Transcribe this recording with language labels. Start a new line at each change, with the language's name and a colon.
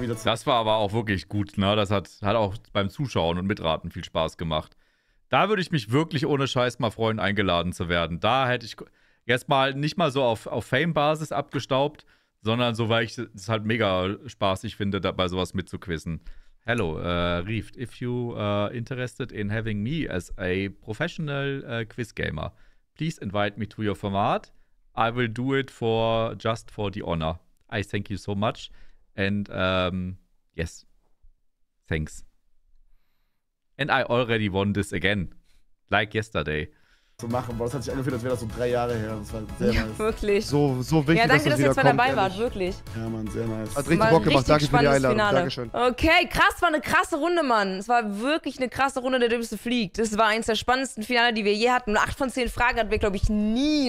German: Das war aber auch wirklich gut. Ne? Das hat auch beim Zuschauen und Mitraten viel Spaß gemacht. Da würde ich mich wirklich ohne Scheiß mal freuen, eingeladen zu werden. Da hätte ich erstmal nicht mal so auf Fame-Basis abgestaubt, sondern so, weil ich es halt mega spaßig finde, dabei sowas mitzuquizzen.
English: Hello, Rieft, if you interested in having me as a professional quiz gamer, please invite me to your format. I will do it just for the honor. I thank you so much. And yes, thanks. And I already won this again, like yesterday.
German: Zu machen, boah, das hat sich angefühlt, als wäre das so 3 Jahre her. Das war sehr ja, nice. Wirklich. So wichtig, ja, danke, dass du jetzt mal dabei warst, wirklich. Ja, Mann, sehr nice. Hat richtig Bock gemacht, danke für die Einladung. Finale. Dankeschön. Okay, krass, war eine krasse Runde, Mann. Es war wirklich eine krasse Runde, der Dümmste fliegt. Das war eins der spannendsten Finale, die wir je hatten. Und 8 von 10 Fragen hatten wir, glaube ich, nie.